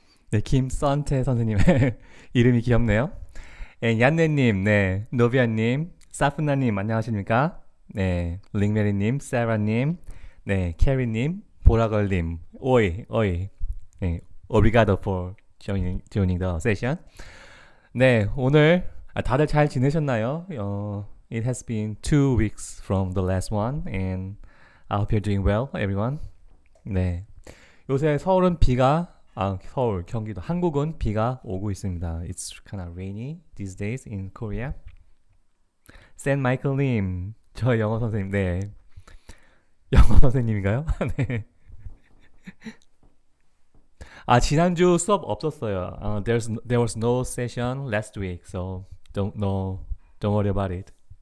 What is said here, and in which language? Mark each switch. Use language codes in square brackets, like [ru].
[ko] 네, 김선태 선생님의 이름이 귀엽네요. 네, 얀네님, 네, 노비아님, 사프나님, 안녕하십니까? 네, 링메리님, 세라님, 네, 캐리님, 보라걸님, 오이, 오이. [en] 네, obrigado for joining the session. [ko] 네, 오늘, 다들 잘 지내셨나요? [en] It has been 2 weeks from the last one, and I hope you're doing well, everyone. [ko] 네. 요새 서울은 비가, 아, 서울, 경기도, 한국은 비가 오고 있습니다. [en] It's kind of rainy these days in Korea. [ko] Saint Michael님, 저 영어 선생님, 네. 영어 선생님인가요? 네. 아, 지난주 수업 없었어요. [en] There was no session last week, so don't worry about it.